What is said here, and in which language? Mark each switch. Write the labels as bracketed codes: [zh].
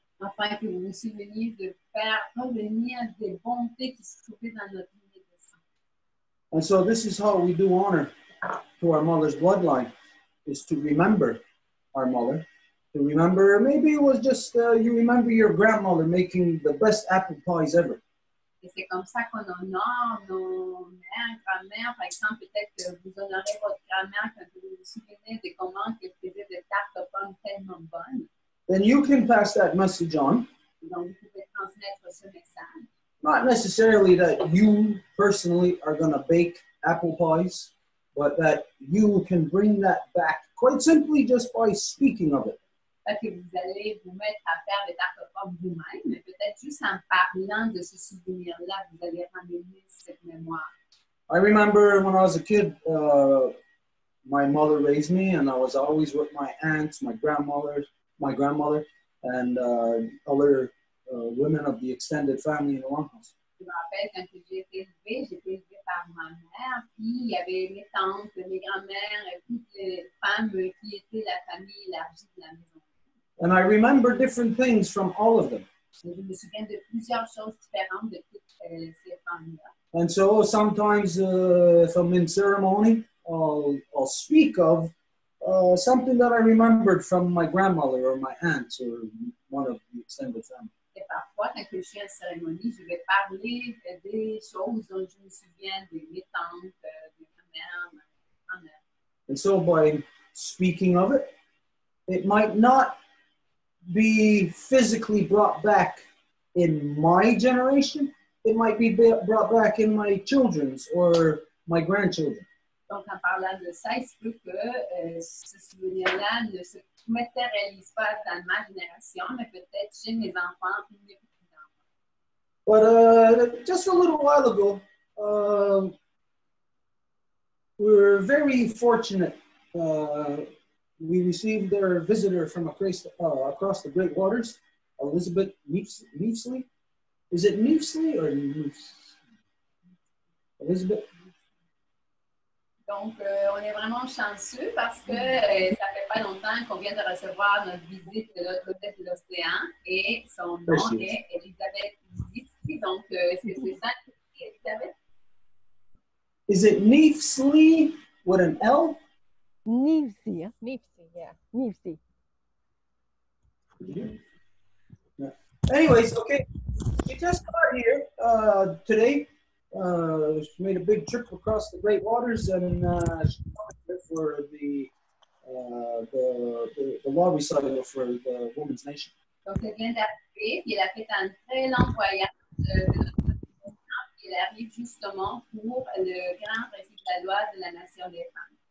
[fr] Afin que vous vous souveniez de faire revenir des bontés qui se trouvaient dans notre lignée de sang. [en] And so this is how we do honor to our mother's bloodline, is to remember our mother, to remember, maybe it was just, you remember your grandmother making the best apple pies ever. [fr] Et c'est comme ça qu'on honore nos mères, grand-mères, par exemple, peut-être que vous honorez votre grand-mère quand vous vous souvenez de comment elle faisait des tartes aux pommes tellement bonnes. [en] Then you can pass that message on. [fr] Donc vous pouvez transmettre ce message. [en] Not necessarily that you personally are going to bake apple pies, but that you can bring that back quite simply just by speaking of it. [fr] Parce que vous allez vous mettre à faire des tartes aux pommes vous-même, mais peut-être juste en parlant de ce souvenir-là, vous allez ramener cette mémoire. [en] I remember when I was a kid, my mother raised me, and I was always with my aunts, my grandmother, and other women of the extended family in the long house. [fr] Je me rappelle quand j'ai été élevée par ma mère, puis il y avait mes tantes, mes grand-mères, et toutes les femmes qui étaient la famille élargie de la maison. [en] And I remember different things from all of them. [fr] Je me souviens de plusieurs choses différentes de toutes ces femmes-là. [en] And so sometimes, if I'm in ceremony, I'll speak of something that I remembered from my grandmother or my aunt or one of the extended family. [fr] Et parfois, quand je suis en cérémonie, je vais parler des choses dont je me souviens, de mes tantes, de ma mère, ma grand-mère. [en] And so by speaking of it, it might not be physically brought back in my generation. It might be brought back in my children's or my grandchildren. [fr] Donc en parlant de ça, il se peut que ce souvenir-là ne se matérialise pas dans ma génération, mais peut-être chez mes enfants ou mes petits-enfants. [en] But just a little while ago, we were very fortunate. We received our visitor from across the Great Waters, Elizabeth Neefsley. Is it Neefsley or Neefs? Elizabeth? [fr] Donc, on est vraiment chanceux parce que ça fait pas longtemps qu'on vient de recevoir notre visite de l'autre côté de l'océan et son nom est Elizabeth Neefsley. Donc, c'est ça, Elizabeth? [en] Is it Neefsley with an L? Neefsley, Neefsley, yeah, Neefsley. Anyways, okay. She just got here today. She made a big trip across the Great Waters, and she got here for the law recital for the Women's Nation. [fr] Donc elle vient d'arriver. Elle a fait un très long voyage. Elle arrive justement pour le grand récit de la loi de la nation des femmes.